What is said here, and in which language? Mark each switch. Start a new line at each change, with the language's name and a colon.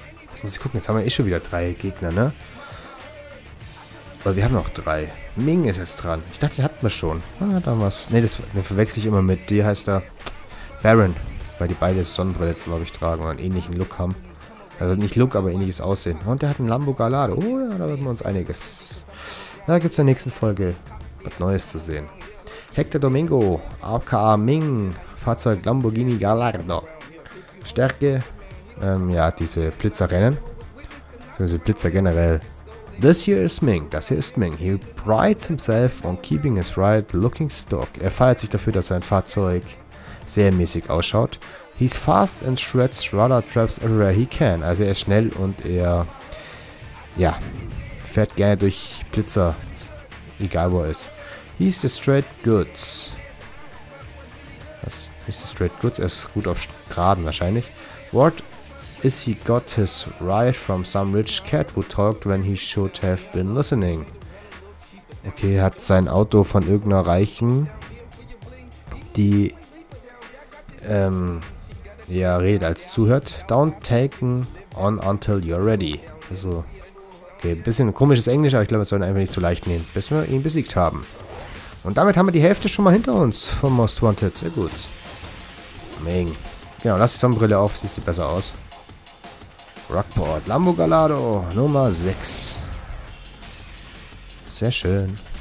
German: Jetzt muss ich gucken, jetzt haben wir eh schon wieder drei Gegner, ne? Aber wir haben noch drei. Ming ist jetzt dran. Ich dachte, den hatten wir schon. Ah, da war's. Ne, das verwechsel ich immer mit. Die heißt er Baron. Weil die beide Sonnenbrille, glaube ich, tragen und einen ähnlichen Look haben. Also nicht Look, aber ähnliches Aussehen. Und der hat einen Lambo Gallardo. Oh ja, da werden wir uns einiges. Da gibt es in der nächsten Folge was Neues zu sehen. Hector Domingo, aka Ming. Fahrzeug Lamborghini Gallardo. Stärke, ja, diese Blitzerrennen. Beziehungsweise Blitzer generell.
English: This here is Ming.
German: Das hier ist Ming.
English: He prides himself on keeping his ride looking stock.
German: Er feiert sich dafür, dass sein Fahrzeug sehr mäßig ausschaut.
English: He's fast and shreds rudder traps everywhere he can.
German: Also er ist schnell und er, ja, fährt gerne durch Blitzer, egal wo er ist.
English: He's the straight goods.
German: Was?
English: He's the straight goods?
German: Er ist gut auf Geraden wahrscheinlich.
English: What? Is he got his ride from some rich cat who talked when he should have been listening?
German: Okay, hat sein Auto von irgendeiner Reichen, die, ja, redet als zuhört.
English: Don't take on until you're ready.
German: Also, okay, ein bisschen komisches Englisch, aber ich glaube, es soll ihn einfach nicht zu leicht nehmen, bis wir ihn besiegt haben. Und damit haben wir die Hälfte schon mal hinter uns vom Most Wanted. Sehr gut. Ming. Genau, lass die Sonnenbrille auf, siehst du besser aus. Rockport, Lambo Gallardo, Nummer 6. Sehr schön.